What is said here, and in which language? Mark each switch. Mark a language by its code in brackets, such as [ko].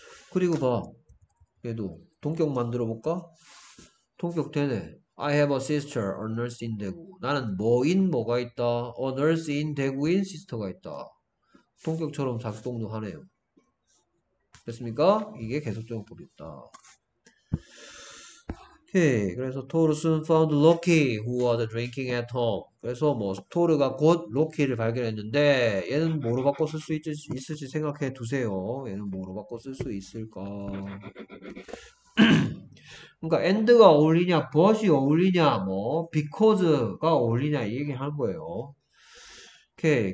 [ko] 그리고 봐. 얘도 동격 만들어 볼까? 동격 되네. [en] I have a sister, a nurse in 대구. 나는 뭐인 뭐가 있다. A nurse in 대구인 sister가 있다. [ko] 동격처럼 작동도 하네요. 됐습니까? 이게 계속적 용법이 있다. 오케이. [en] 그래서 토르슨 found Loki who was drinking at home. [ko] 그래서 뭐 토르가 곧 로키를 발견했는데 얘는 뭐로 바꿔 쓸수 있을지 생각해 두세요. 얘는 뭐로 바꿔 쓸수 있을까? 그러니까 and가 어울리냐, but이 어울리냐, 뭐 because가 어울리냐 이 얘기 하는 거예요. 오케이.